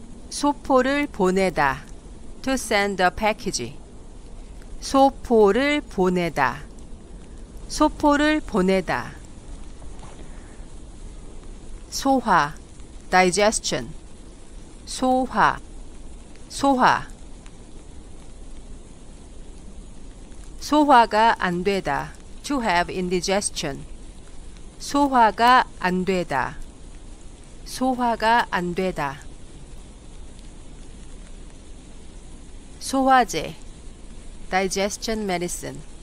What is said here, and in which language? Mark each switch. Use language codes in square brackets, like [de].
[ko] 소포를 보내다, [en] to send a package. [ko] 소포를 보내다, 소포를 보내다. 소화, digestion. 소화, 소화. 소화가 안 되다, [en] to have indigestion. [ko] 소화가 안 되다, 소화가 안 되다. [en] 소화제, digestion medicine.